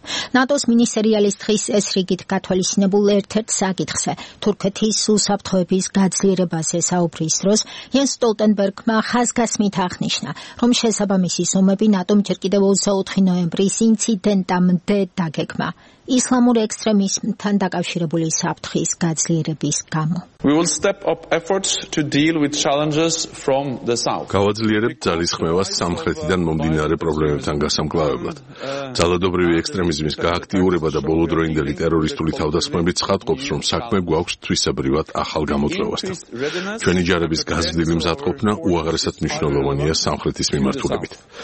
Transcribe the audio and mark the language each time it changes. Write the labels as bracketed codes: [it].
[ka] ნატოს მინისტერიალის დღის წესრიგით გათვალისწინებულ ერთ-ერთ საკითხზე, თურქეთის უსაფრთხოების გაძლიერებაზე საუბრის დროს, იენს სტოლტენბერგმა ხაზგასმით აღნიშნა, რომ შესაბამისი ზომები ნატომ ჯერ კიდევ 24 ნოემბრის ინციდენტამდე დაგეგმა, ისლამურ ექსტრემიზმთან დაკავშირებული საფრთხის გაძლიერების გამო. [en] We will step up efforts to deal with challenges from the south. [ka] გავაძლიერებთ ძალისხმევას სამხრეთიდან მომდინარე პრობლემებთან გასამკლავებლად. ძალადობრივი ექსტრემიზმის გააქტიურება და ბოლოდროინდელი ტერორისტული თავდასხმები ცხადყოფს, რომ საქმე გვაქვს თვისებრივად ახალ გამოწვევასთან. ჩვენი ჯარების გაზრდილი მზადყოფნა უაღრესად მნიშვნელოვანია სამხრეთის მიმართულებით.